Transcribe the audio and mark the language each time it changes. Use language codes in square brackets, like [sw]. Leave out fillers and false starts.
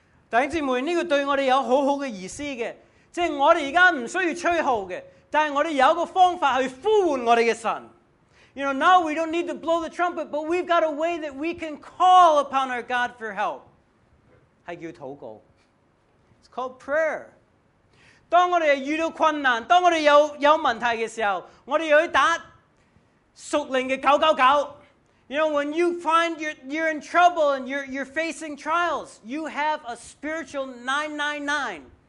[yue] 弟兄姊妹，呢個對我哋有好好嘅意思嘅，即係我哋而家唔需要吹號嘅，但係我哋有個方法去呼喚我哋嘅神。You [en] know, now we don't need to blow the trumpet, but we've got a way that we can call upon our God for help. [yue] 係叫禱告。 [en] It's called prayer. [yue] 當我哋遇到困難，當我哋有問題嘅時候，我哋要去打屬靈嘅999。 [en] You know, when you find you're in trouble and you're facing trials, you have a spiritual 999.